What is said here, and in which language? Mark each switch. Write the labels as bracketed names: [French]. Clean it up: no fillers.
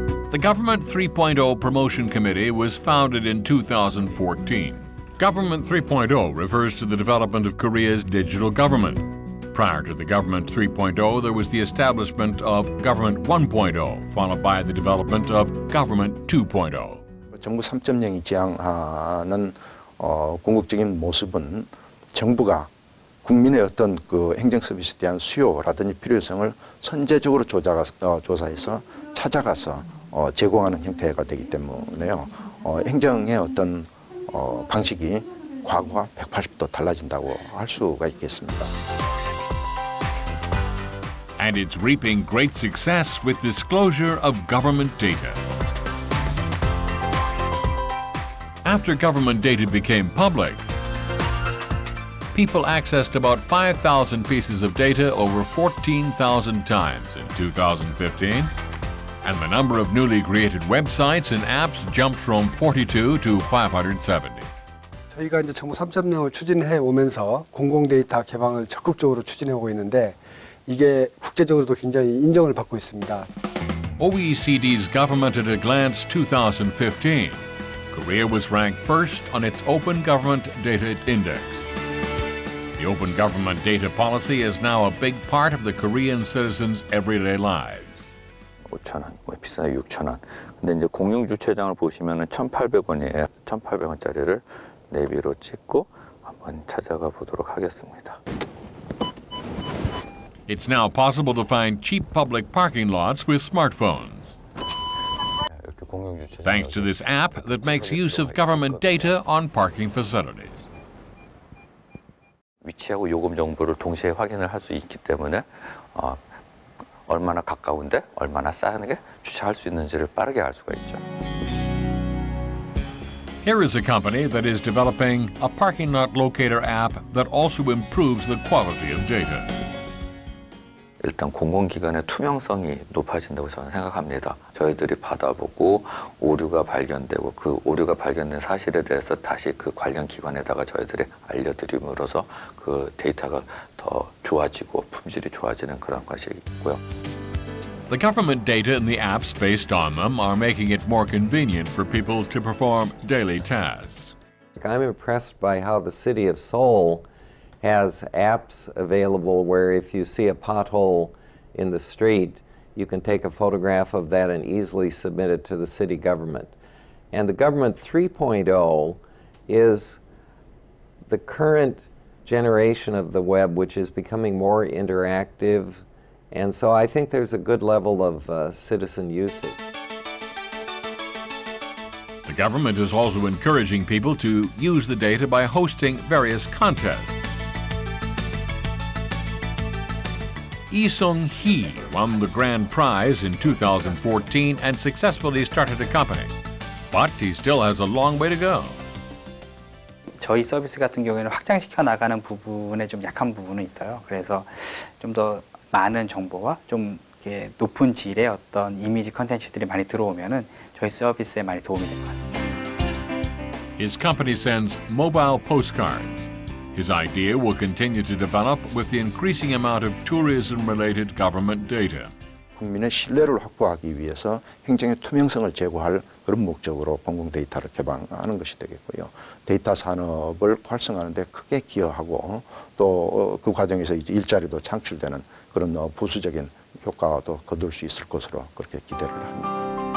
[English] The Government 3.0 Promotion Committee was founded in 2014. Government 3.0 refers to the development of Korea's digital government. Prior to the Government 3.0, there was the establishment of Government 1.0, followed by the development of Government 2.0. [Korean] 정부 3.0이 지향하는 궁극적인 모습은 정부가 국민의 어떤 그 행정 서비스에 대한 수요라든지 필요성을 선제적으로 조사해서 찾아가서 제공하는 형태가 되기 때문에요. 행정의 어떤 방식이 과거와 180도 달라진다고 할 수가 있겠습니다. [English] And it's reaping great success with disclosure of government data. After government data became public, people accessed about 5,000 pieces of data over 14,000 times in 2015. And the number of newly created websites and apps jumped from 42 to 570. [Korean] 저희가 이제 정부 3.0을 추진해 오면서 공공 데이터 개방을 적극적으로 추진해 오고 있는데 이게 국제적으로도 굉장히 인정을 받고 있습니다. [English] OECD's Government at a Glance 2015. Korea was ranked first on its Open Government Data Index. The Open Government Data Policy is now a big part of the Korean citizens' everyday lives. [Korean] 5,000원, 비싸요 6,000원. 근데 이제 공용 주차장을 보시면은 1,800원이에요. 1,800원짜리를 내비로 찍고 한번 찾아가 보도록 하겠습니다. [English] It's now possible to find cheap public parking lots with smartphones. Thanks to this app that makes use of government data on parking facilities. [Korean] 위치하고 요금 정보를 동시에 확인을 할 수 있기 때문에 얼마나 가까운데 얼마나 싼 게 주차할 수 있는지를 빠르게 알 수가 있죠. [English] Here is a company that is developing a parking lot locator app that also improves the quality of data. [Korean] 일단 공공기관의 투명성이 높아진다고 저는 생각합니다. 저희들이 받아보고 오류가 발견되고 그 오류가 발견된 사실에 대해서 다시 그 관련 기관에다가 저희들이 알려드림으로써 그 데이터가 더 좋아지고 품질이 좋아지는 그런 것이 있고요. [English] The government data and the apps based on them are making it more convenient for people to perform daily tasks. I'm impressed by how the city of Seoul has apps available where if you see a pothole in the street, you can take a photograph of that and easily submit it to the city government. And the government 3.0 is the current generation of the web, which is becoming more interactive. And so I think there's a good level of citizen usage. government is also encouraging people to use the data by hosting various contests. Lee Sung-hee won the grand prize in 2014 and successfully started a company. But he still has a long way to go. [Korean] 저희 서비스 같은 경우에는 확장시켜 나가는 부분에 좀 약한 부분은 있어요. 그래서 좀 더 많은 정보와 좀 이렇게 높은 질의 어떤 이미지 컨텐츠들이 많이 들어오면은 저희 서비스에 많이 도움이 될 것 같습니다. [English] His company sends mobile postcards. His idea will continue to develop with the increasing amount of tourism-related government data. [Korean] 국민의 신뢰를 확보하기 위해서 행정의 투명성을 제고할 그런 목적으로 공공 데이터를 개방하는 것이 되겠고요. 데이터 산업을 활성화하는 데 크게 기여하고 또 그 과정에서 이제 일자리도 창출되는 그런 부수적인 효과도 거둘 수 있을 것으로 그렇게 기대를 합니다.